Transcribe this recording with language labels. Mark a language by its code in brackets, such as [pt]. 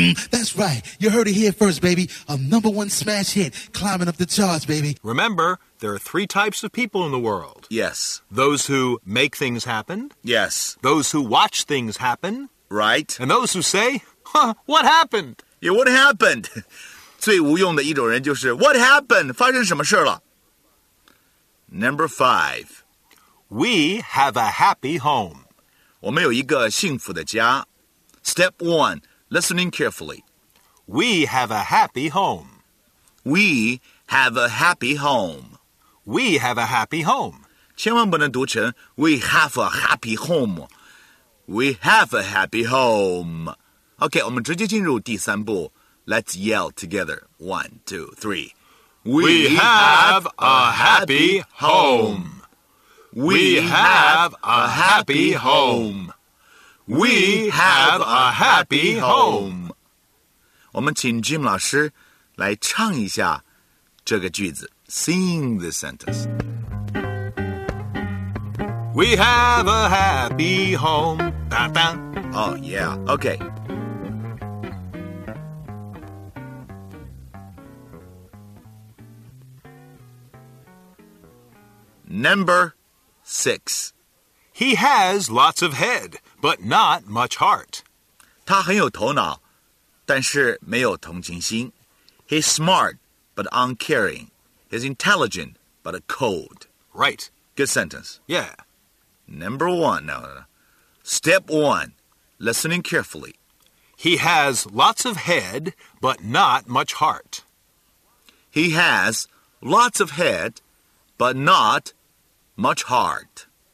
[en] That's right. You heard it here first, baby. A number one smash hit climbing up the charts, baby. Remember, there are three types of people in the world. Yes. Those who make things happen. Yes. Those who watch things happen. Right. And those who say, huh, what happened? Yeah, what happened? [zh] 最无用的一种人就是, [en] what happened? [zh] 发生什么事了? [en] Number five. We have a happy home. [zh] 我们有一个幸福的家. [en] Step one, listening carefully. We have a happy home. We have a happy home. We have a happy home. [zh] 千万不能读成 [en] we have a happy home. We have a happy home. [zh] OK, 我们直接进入第三步. [en] Let's yell together. One, two, three. We have a happy home. We have a happy home. We have a happy home. [zh] 我们请Jim老师来唱一下这个句子。 [en] Sing the sentence. We have a happy home. Ba-da. Oh, yeah. Okay. Number six. He has lots of head, but not much heart. [zh] 他很有头脑,但是没有同情心. [en] He's smart, but uncaring. He's intelligent, but cold. Right. Good sentence. Yeah. Number one. No, no, no. Step one, listening carefully. He has lots of head, but not much heart. He has lots of head, but not much heart.